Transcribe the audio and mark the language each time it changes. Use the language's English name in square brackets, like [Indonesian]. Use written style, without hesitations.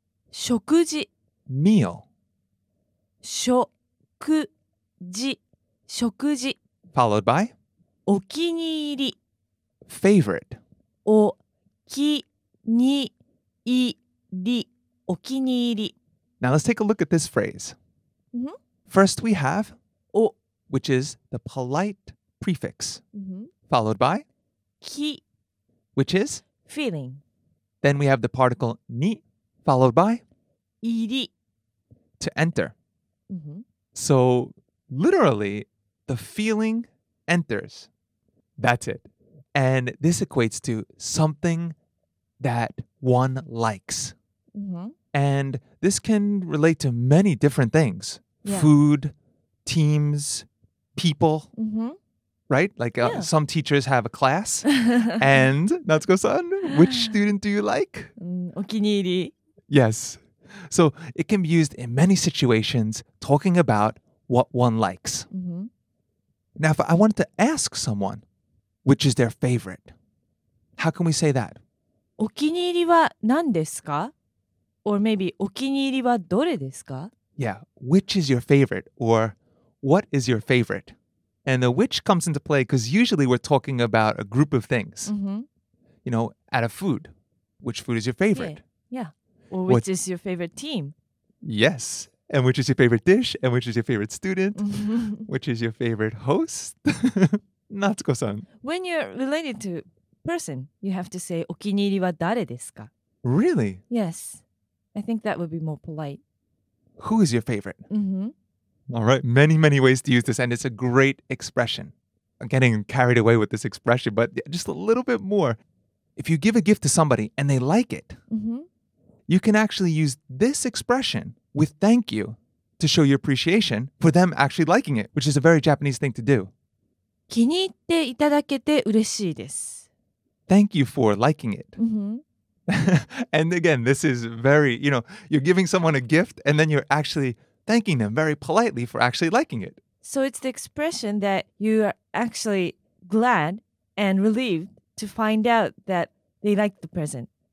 [Japanese] 食事 [English] Meal [Japanese] 食事食事 [English] Followed by [Japanese] お気に入り [English] Favorite [Japanese] お気に入りお気に入り [English] Now let's take a look at this phrase.、 Mm-hmm. First we have [Japanese] お [English] which is the polite prefix,、mm-hmm. followed by [Japanese] ki, [English] which is feeling. Then we have the particle ni, followed by [Japanese] iri, [English] to enter.、 Mm-hmm. So literally, the feeling enters. That's it. And this equates to something that one likes.、 Mm-hmm. And this can relate to many different things,、 yeah. food, teams,People,、 mm-hmm. right? Like、yeah. some teachers have a class. And Natsuko-san, which student do you like?、 [Japanese] お気に入り [English] Yes. So it can be used in many situations talking about what one likes.、 Mm-hmm. Now, if I wanted to ask someone which is their favorite, how can we say that? [Japanese] お気に入りは何ですか? [English] Or maybe [Japanese] お気に入りはどれですか? [English] Yeah. Which is your favorite? Or... What is your favorite? And the which comes into play because usually we're talking about a group of things.、 Mm-hmm. You know, at a food. Which food is your favorite? Yeah. Yeah. Or which is your favorite team? Yes. And which is your favorite dish? And which is your favorite student?、 Mm-hmm. Which is your favorite host? Natsuko-san. When you're related to person, you have to say, [Japanese] お気に入りは誰ですか? [English] Really? Yes. I think that would be more polite. Who is your favorite? Mm-hmm. All right, many, many ways to use this, and it's a great expression. I'm getting carried away with this expression, but just a little bit more. If you give a gift to somebody and they like it,、 mm-hmm. you can actually use this expression with thank you to show your appreciation for them actually liking it, which is a very Japanese thing to do. [Japanese] 気に入っていただけて嬉しいです。 [English] Thank you for liking it.、 Mm-hmm. And again, this is very, you know, you're giving someone a gift and then you're actually... thanking them very politely for actually liking it. So it's the expression that you are actually glad and relieved to find out that they like the present.